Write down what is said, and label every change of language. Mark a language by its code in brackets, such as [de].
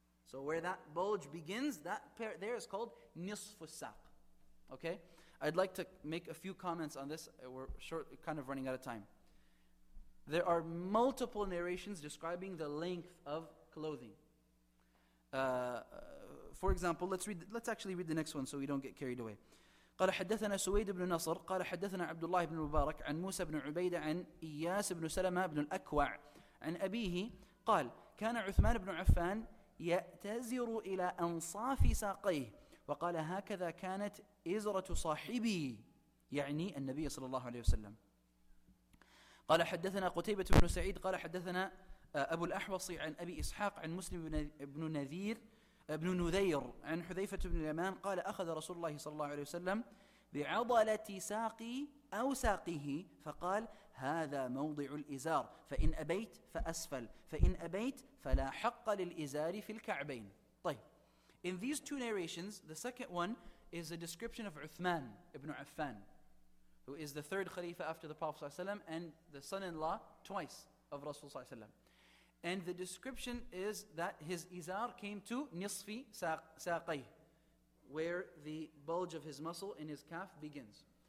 [en] So where that bulge begins, that pair there is called nisfu saq. Okay? I'd like to make a few comments on this. We're short, kind of running out of time. There are multiple narrations describing the length of clothing. For example, let's actually read the next one so we don't get carried away. [ar] قال حدثنا سويد بن نصر قال حدثنا عبد الله بن المبارك عن موسى بن عبيدة عن إياس بن سلمة بن الأكوع عن أبيه قال كان عثمان بن عفان يأتزر إلى أنصاف ساقيه وقال هكذا كانت إزرة صاحبي يعني النبي صلى الله عليه وسلم. قال حدثنا قتيبة بن سعيد قال حدثنا أبو الأحوص عن أبي إسحاق عن مسلم بن نذير ابن نذير عن حذيفة بن اليمان قال أخذ رسول الله صلى الله عليه وسلم بعضلة ساقي أو ساقه فقال هذا موضع الإزار فإن أبيت فأسفل فإن أبيت فلا حق للإزار في الكعبين. [en] طيب, in these two narrations, the second one is a description of Uthman ibn Affan, who is the third Khalifa after the Prophet ﷺ and the son-in-law twice of Rasul ﷺ. And the description is that his izar came to nisfi saqayh, where the bulge of his muscle in his calf begins.